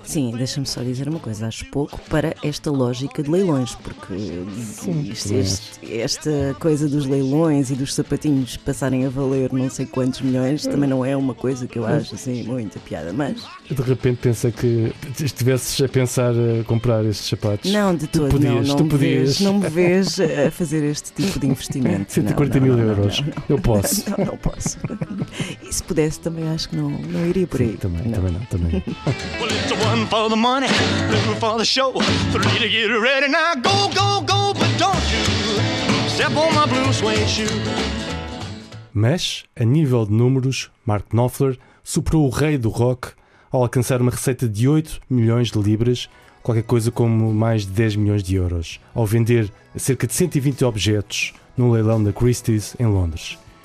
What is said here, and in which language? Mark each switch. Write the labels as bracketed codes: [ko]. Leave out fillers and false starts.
[pt] Sim, deixa-me só dizer uma coisa, acho pouco para esta lógica de leilões, porque esta coisa dos leilões e dos sapatinhos passarem a valer não sei quantos milhões também não é uma coisa que eu acho assim muita piada, mas... De repente pensa que estivesses a pensar a comprar estes sapatos. Não, de todo, tu podias, não, tu podias. Não me vês a fazer este tipo de investimento. 140 mil euros, não. Eu posso. Não posso. E se pudesse também acho que não iria por aí. Sim, também não. [en] Well, it's a one for the money, two for the show, three to get ready now, go, go, go, but don't you step on my blue suede shoe. [pt] Mas, a nível de números, Mark Knopfler superou o rei do rock ao alcançar uma receita de 8 milhões de libras, qualquer coisa como mais de 10 milhões de euros, ao vender cerca de 120 objetos no leilão da Christie's em Londres.